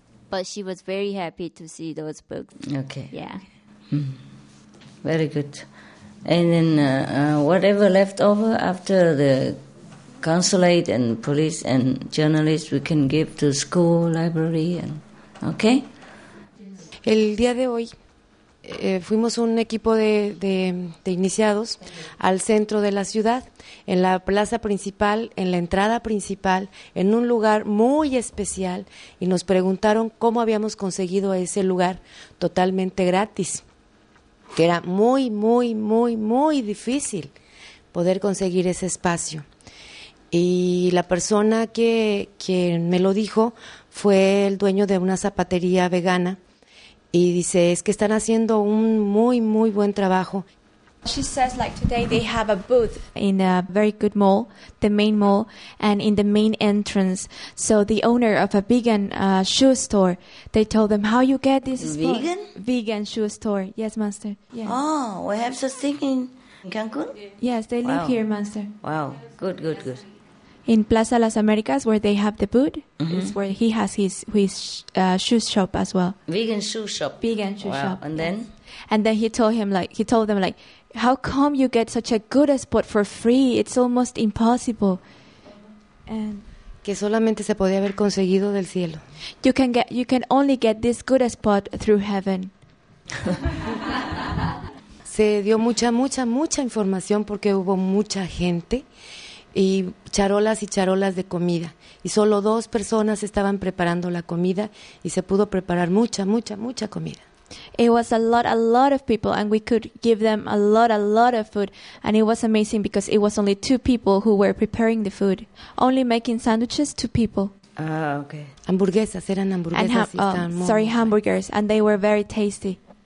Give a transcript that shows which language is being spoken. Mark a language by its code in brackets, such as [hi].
[en] But she was very happy to see those books. Okay. Yeah. Very good. And then whatever left over after the consulate and police and journalists, we can give to school, library, and okay? [es] El día de hoy fuimos un equipo de iniciados al centro de la ciudad, en la plaza principal, en la entrada principal, en un lugar muy especial, y nos preguntaron cómo habíamos conseguido ese lugar totalmente gratis. Que era muy, muy, muy, muy difícil poder conseguir ese espacio. Y la persona que me lo dijo fue el dueño de una zapatería vegana. Y dice, es que están haciendo un muy, muy buen trabajo. [en] She says like today they have a booth in a very good mall, the main mall, and in the main entrance. So the owner of a vegan shoe store, they told them how you get this spot. Vegan? Vegan shoe store. Yes, master. Yes. Oh, we have such thing in Cancun? Yes, they live here, master. Wow, good, good, good. In Plaza Las Americas, where they have the booth, is where he has his shoe shop as well. Vegan shoe shop. Vegan shoe shop. And then? And then he told them, how come you get such a good spot for free? It's almost impossible. [es] And que solamente se podía haber conseguido del cielo. [en] You can only get this good spot through heaven. [es] Se dio mucha, mucha, mucha información porque hubo mucha gente. Y charolas de comida. Y solo dos personas estaban preparando la comida y se pudo preparar mucha, mucha, mucha comida. [en] It was a lot of people and we could give them a lot of food. And it was amazing because it was only two people who were preparing the food. Only making sandwiches, two people. Okay. [es] Hamburguesas, eran hamburguesas. [en] Hamburgers. And they were very tasty.